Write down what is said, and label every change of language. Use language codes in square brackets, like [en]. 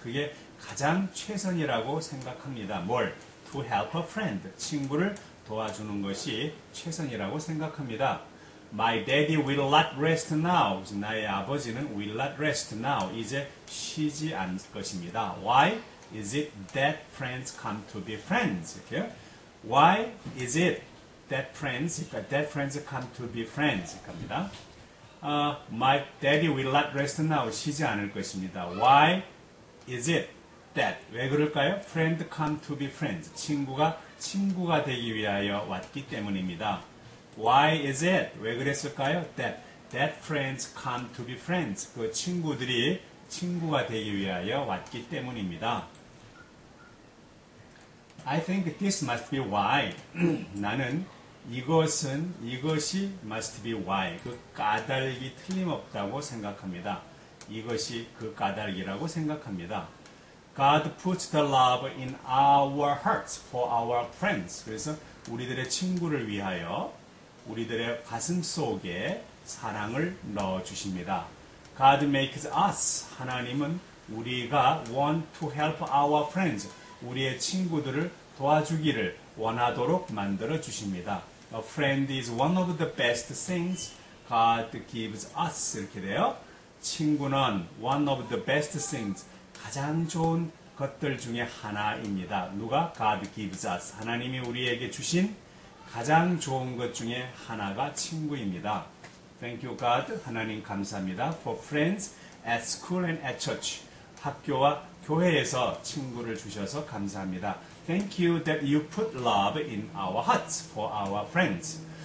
[ko] 그게 가장 최선이라고 생각합니다. [en] 뭘? To help a friend. [ko] 친구를 도와주는 것이 최선이라고 생각합니다. [en] My daddy will not rest now. [ko] 나의 아버지는 [en] will not rest now. [ko] 이제 쉬지 않을 것입니다. [en] Why is it that friends come to be friends? Okay? Why is it that friends, that friends come to be friends? 갑니다. My daddy will not rest now. [ko] 쉬지 않을 것입니다. [en] Why is it that? [ko] 왜 그럴까요? [en] Friend come to be friends. [ko] 친구가 되기 위하여 왔기 때문입니다. [en] Why is it? [ko] 왜 그랬을까요? [en] That friends come to be friends. [ko] 그 친구들이 친구가 되기 위하여 왔기 때문입니다. [en] I think this must be why. [ko] 나는 이것이 [en] must be why. [ko] 그 까닭이 틀림없다고 생각합니다. 이것이 그 까닭이라고 생각합니다. [en] God puts the love in our hearts for our friends. [ko] 그래서 우리들의 친구를 위하여 우리들의 가슴 속에 사랑을 넣어주십니다. [en] God makes us. [ko] 하나님은 우리가 [en] want to help our friends. [ko] 우리의 친구들을 도와주기를 원하도록 만들어 주십니다. [en] A friend is one of the best things God gives us. [ko] 이렇게 돼요. [en] 친구는 one of the best things. [ko] 가장 좋은 것들 중에 하나입니다. [en] 누가? God gives us. [ko] 하나님이 우리에게 주신 가장 좋은 것 중에 하나가 친구입니다. [en] Thank you, God. [ko] 하나님 감사합니다. [en] For friends at school and at church. [ko] 학교와 교회에서 친구를 주셔서 감사합니다. [en] Thank you that you put love in our hearts for our friends.